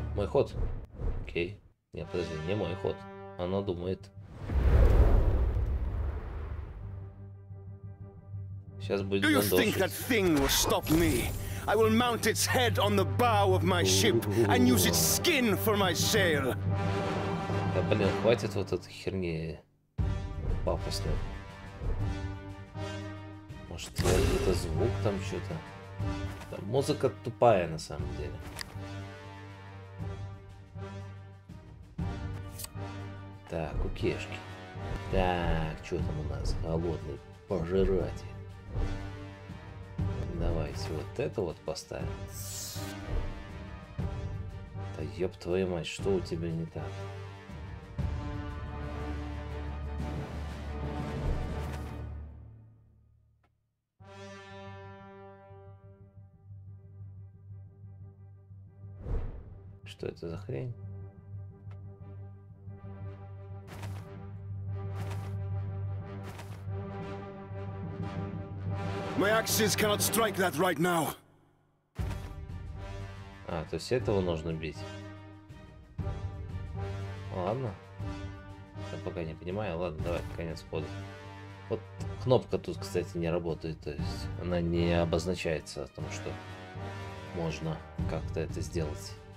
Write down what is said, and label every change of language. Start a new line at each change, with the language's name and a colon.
Russian: Ход. Окей. Нет, подожди, не мой ход. Она думает. Сейчас будет гандошить.
English: Do you think that thing will stop me? I will mount its head on the bow of my ship and use its skin for my sail.
Russian: Да, блин, хватит вот этой херни пафосной. Может, это звук там что-то? Да, музыка тупая на самом деле. Так, у кешки. Так, что там у нас? Голодный пожиратель. Давайте вот это вот поставим. Да ёб твою мать, что у тебя не так? Что это за хрень?
English: My axes cannot strike that right now.
Russian: А, то есть этого нужно бить. Ладно. Я пока не понимаю. Ладно, давай, конец хода. Вот кнопка тут, кстати, не работает. То есть она не обозначается о том, что можно как-то это сделать.